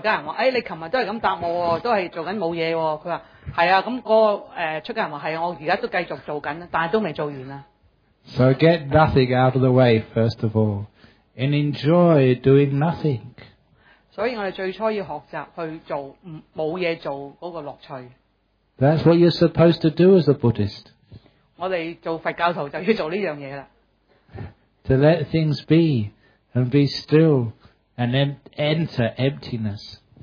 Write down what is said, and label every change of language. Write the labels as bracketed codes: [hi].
[zh] 那個在家人說,你昨天都是這樣答我,都是在做沒有工作。是啊,那個出家人說,是啊,我現在都繼續做,但是都還沒做完。 [en] So get nothing out of the way, first of all, and enjoy doing nothing. [zh] 所以我們最初要學習去做,沒有工作的樂趣。 [en] That's what you're supposed to do as a Buddhist. [zh] 我們做佛教徒就要做這件事了。 [en] To let things be, and be still, and then enter emptiness.